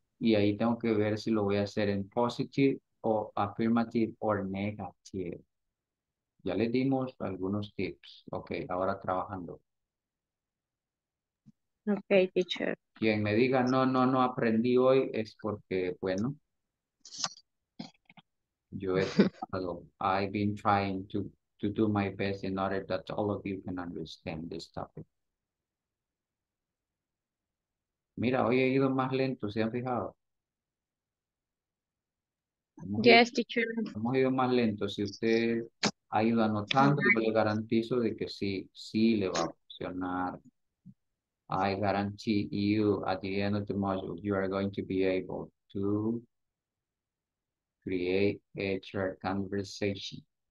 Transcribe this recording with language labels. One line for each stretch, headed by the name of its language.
Spanish: Y ahí tengo que ver si lo voy a hacer en positive o
English: affirmative or negative.
Spanish: Ya le dimos algunos tips. Ok, ahora trabajando.
English: Ok, teacher.
Spanish: Quien me diga no aprendí hoy es porque, bueno, yo he tratado.
English: I've been trying to do my best in order that all of you can understand this topic.
Spanish: Mira, hoy he ido más lento, ¿se han fijado?
English: Yes, teacher.
Spanish: Hemos ido más lento. Si usted ha ido anotando, yo le garantizo de que sí le va a funcionar.
English: I guarantee you at the end of the module, you are going to be able to create a chart conversation.